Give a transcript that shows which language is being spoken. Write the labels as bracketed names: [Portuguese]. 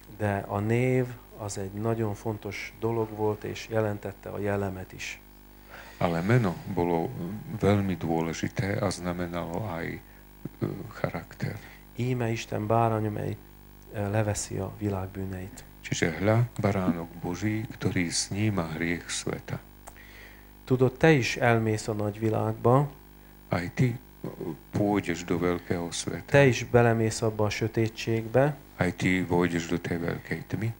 [Hungarian] De a név az egy nagyon fontos dolog volt és jelentette a jellemet is. [Slovak] Ale meno bolo veľmi dôležité a znamenalo aj charakter. [Hungarian] Íme Isten báránya, mely leveszi a világ bűneit. [Slovak] Čiže hľa, baránok Boží, ktorý sníma hriech sveta. [Hungarian] Tudod, te is elmész a nagy világba. [Slovak] Aj ty pôjdeš do veľkého sveta. [Hungarian] Te is belemész abba a sötétségbe. [Slovak] Aj ty pôjdeš do tej veľkej tmy.